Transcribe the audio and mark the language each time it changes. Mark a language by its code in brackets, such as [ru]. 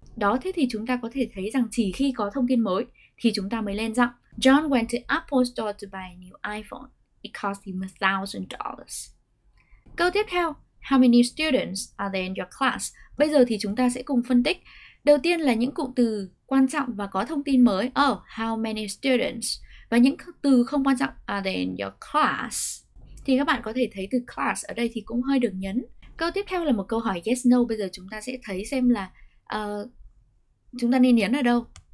[vi] Đó, thế thì chúng ta có thể thấy rằng chỉ khi có thông tin mới thì chúng ta mới lên giọng. [en] John went to Apple Store to buy a new iPhone. It cost him $1,000. [vi] Câu tiếp theo, [en] how many students are there in your class? [vi] Bây giờ thì chúng ta sẽ cùng phân tích. Đầu tiên là những cụm từ quan trọng và có thông tin mới. [en] Oh, how many students? [vi] Và những từ không quan trọng, [en] are they in your class? [vi] Thì các bạn có thể thấy từ class ở đây thì cũng hơi được nhấn. Câu tiếp theo là một câu hỏi [en] yes, no. [vi] Bây giờ chúng ta sẽ thấy xem là chúng ta nên nhấn ở đâu.